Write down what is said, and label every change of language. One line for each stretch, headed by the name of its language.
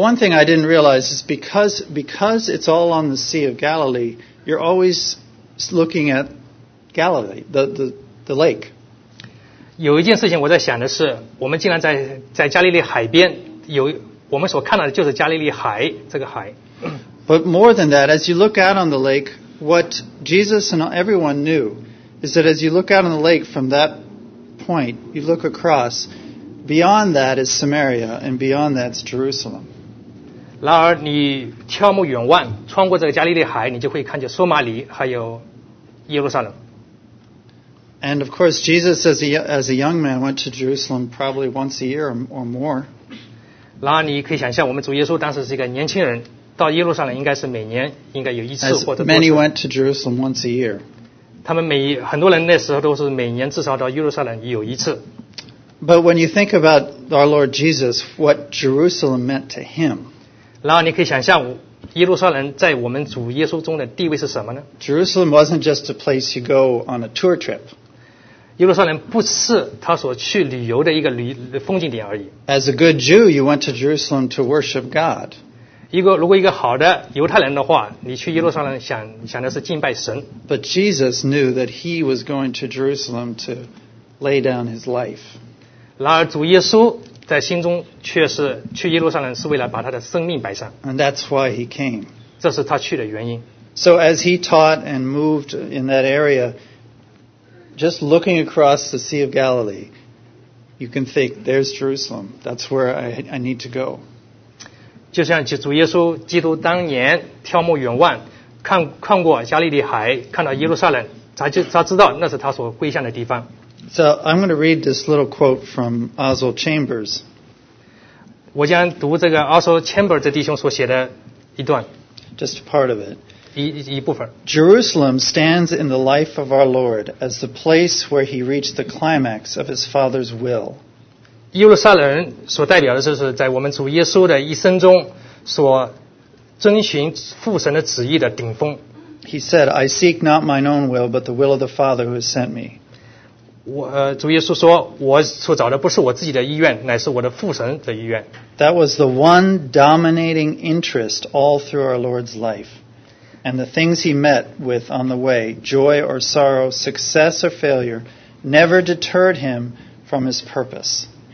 English: one thing I didn't realize is because it's all on the Sea of Galilee, you're always looking at Galilee, the lake.
Chinese: 有一件事情我在想的是，我们竟然在加利利海边，我们所看到的就是加利利海这个海。But
English: more than that, as you look out on the lake, what Jesus and everyone knew is that as you look out on the lake from that point, you look across, beyond that is Samaria, and beyond that is Jerusalem.
Chinese: 然而你眺目远望，穿过这个加利利海，你就会看见索马里还有耶路撒冷。
English: And of course, Jesus, as a young man, went to Jerusalem probably once a year or more.
Chinese: 然后你可以想象，我们主耶稣当时是一个年轻人，到耶路撒冷应该是每年应该有一次或者多次。
English: As many went to Jerusalem once a year.
Chinese: 他们每很多人那时候都是每年至少到耶路撒冷有一次。
English: But when you think about our Lord Jesus, what Jerusalem meant to him.
Chinese: 然后你可以想象，耶路撒冷在我们主耶稣中的地位是什么呢？
English: Jerusalem wasn't just a place you go on a tour trip.
Chinese: 耶路撒冷不是他所去旅游的一个风景点而已。
English: As a good Jew, you went to Jerusalem to worship God.
Chinese: 如果一个好的犹太人的话，你去耶路撒冷想的是敬拜神。
English: But Jesus knew that he was going to Jerusalem to lay down his life.
Chinese: 然而主耶稣在心中却是去耶路撒冷是为了把他的生命摆上。
English: And that's why he came.
Chinese: 这是他去的原因。
English: So as he taught and moved in that area, just looking across the Sea of Galilee, you can think, there's Jerusalem. That's where I need to go.
Chinese: 就像主耶稣基督当年眺目远望，看过加利利海，看到耶路撒冷，他知道那是他所归向的地方。
English: So I'm going to read this little quote from Oswald Chambers.
Chinese: 我将读这个 Oswald Chambers 这弟兄所写的一段。
English: Just a part of it.
Chinese: 一部分。
English: Jerusalem stands in the life of our Lord as the place where he reached the climax of his Father's will.
Chinese: 耶路撒冷所代表的就是在我们主耶稣的一生中所遵循父神的旨意的顶峰。
English: He said, I seek not mine own will, but the will of the Father who has sent me.
Chinese: 主耶稣说，我所找的不是我自己的意愿，乃是我的父神的意愿。
English: That was the one dominating interest all through our Lord's life. And the things he met with on the way, joy or sorrow, success or failure, never deterred him from his purpose.